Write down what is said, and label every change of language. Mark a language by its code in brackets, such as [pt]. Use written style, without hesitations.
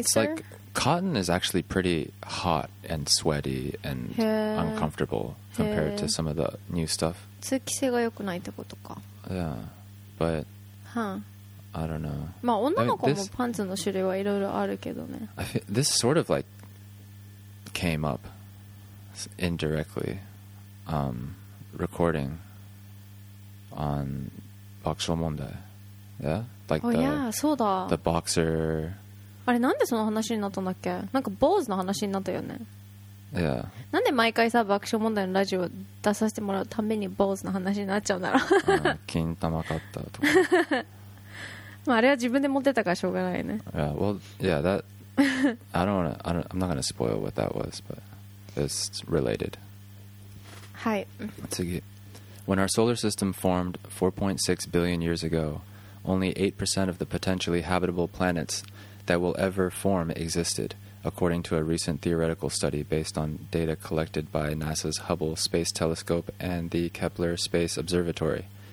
[en] It's like, cotton is actually pretty hot and sweaty and uncomfortable compared to some of the new stuff. [ja] 通気性が良くないってことか. [en] Yeah, but, I don't know. [ja] まあ、女の子もパンツの種類はいろいろあるけどね. [en] This sort of like, came up indirectly, recording. On boxer [ja] 問題 [en] yeah like oh, the yeah, [ja] そうだ [en] the boxer [ja] あれなんでその話になったんだっけなんか坊主の話になったよね [en] yeah [ja] なんで毎回さ爆笑問題のラジオ出させてもらうために坊主の話になっちゃうんだろう金玉買ったとかまああれは自分で持ってたからしょうがないね [en] yeah well yeah that I'm not gonna spoil what that was but it's related [ja] はい [en] 次When our solar system formed 4.6 billion years ago, only 8% of the potentially habitable planets that will ever form existed, according to a recent theoretical study based on data collected by NASA's Hubble Space Telescope and the Kepler Space Observatory.